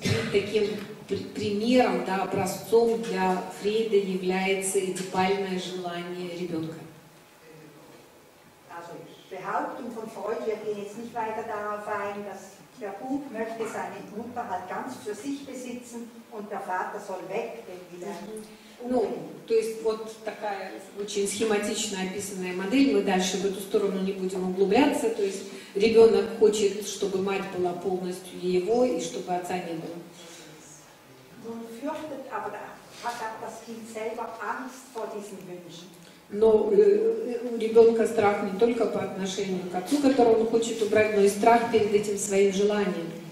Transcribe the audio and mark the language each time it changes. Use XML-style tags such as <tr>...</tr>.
<ru>Таким примером, да, образцом для Фрейда является эдипальное желание ребенка.</ru> <de>Behauptung von Freud, wir gehen jetzt nicht weiter darauf ein, dass der Bub möchte seine Mutter halt ganz für sich besitzen und der Vater soll weg, wenn wieder.</de> <ru>Ну, то есть вот такая очень схематично описанная модель, мы дальше в эту сторону не будем углубляться, то есть ребенок хочет, чтобы мать была полностью его и чтобы отца не было.</ru> <de>Nun fürchtet aber hat auch das Kind selber Angst vor diesen Wünschen.</de> <ru>Но у ребенка страх не только по отношению к отцу, которого он хочет убрать, но и страх перед этим своим желанием.</ru>